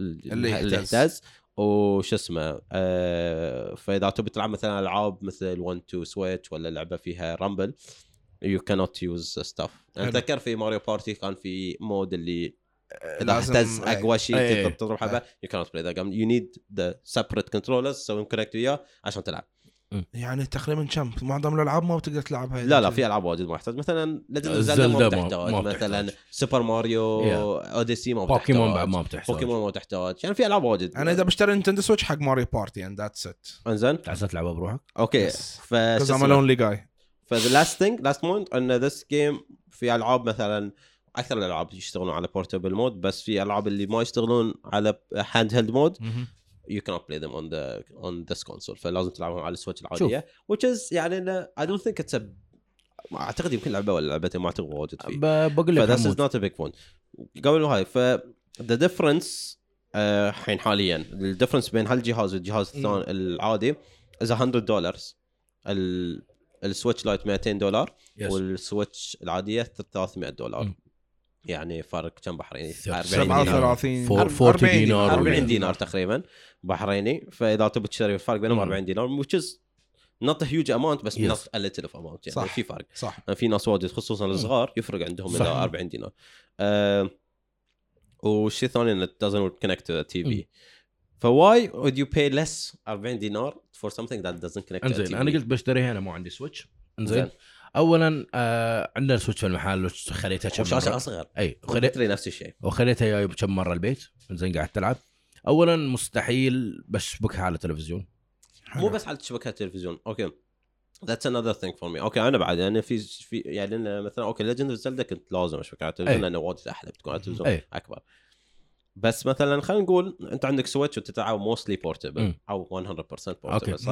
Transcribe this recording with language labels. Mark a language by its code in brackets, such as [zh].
[ar] اللي يهتز وش اسمه فإذا تبي تلعب مثلا ألعاب مثل one two switch ولا لعبة فيها رامبل [en] you cannot use stuff. [ar] أتذكر في ماريو بارتي كان في مود اللي تحتز أقوى شيء تضربها بها [en] you cannot play that game. You need the separate controllers so we connect to you [ar] عشان تلعب. يعني تقريبا كم معظم الألعاب ما بتقدر تلعبها. لا لا في ألعاب واجد ما يحتاج مثلا زلدا ما بتحتاج مثلا سوبر ماريو أوديسي ما بتحتاج بوكيمون بعد ما بتحتاج بوكيمون ما بتحتاج يعني في ألعاب واجد. أنا إذا بشتري نينتندو سويتش حق ماريو بارتي [en] and that's it. [ar] إنزين تعزت تلعبها بروحك. أوكي. [en] Because I'm a lonely guy. For the last thing, last point, on this game, [ar] في ألعاب مثلاً أكثر الألعاب يشتغلون على [en] portable mode, [ar] بس في ألعاب اللي ما يشتغلون على [en] handheld mode, you cannot play them on this console. [ar] فلازم تلعبهم على السويتش العادية. شوف. Which is يعني أنا [en] I don't think it's a [ar] ما أعتقد يمكن لعبة ولا لعبتين ما أعتقد واجد فيه. بقول لك. [en] This is not a big point. [ar] قبل هاي ف [en] the difference [ar] حين حالياً the difference بين هالجهاز والجهاز الثاني العادي is $100 ال السويتش لايت $200 [en] yes. [ar] والسويتش العادية $300 يعني فرق كم بحريني 40 دينار تقريبا بحريني فإذا تبي تشتري الفرق بينهم 40 دينار [en] which is not a huge amount [ar] بس yes. [en] not a little of amount [ar] يعني صح. في فرق صح. في ناس واجد خصوصا الصغار يفرق عندهم إذا 40 دينار وشي ثاني إن [en] it doesn't connect to the TV [ar] ف [en] why would you pay less [ar] 40 دينار [en] for something that doesn't connect to [ar] انزين انا قلت بشتريها انا مو عندي سويتش انزين اولا عندنا سويتش في المحل وخليتها كم مره شاشه اصغر اي وخليتها نفس الشيء وخليتها جاي كم مره البيت انزين قاعد تلعب اولا مستحيل بشبكها على التلفزيون مو بس على شبكه التلفزيون اوكي [en] that's another thing for me [ar] اوكي انا بعد يعني في يعني مثلا اوكي ليجند اوف زيلدا كنت لازم اشبكها على التلفزيون لانه واجد احلى بتكون على التلفزيون اكبر بس مثلا خلينا نقول انت عندك سويتش وتتعاب موستلي بورتبل او 100% بورتبل okay.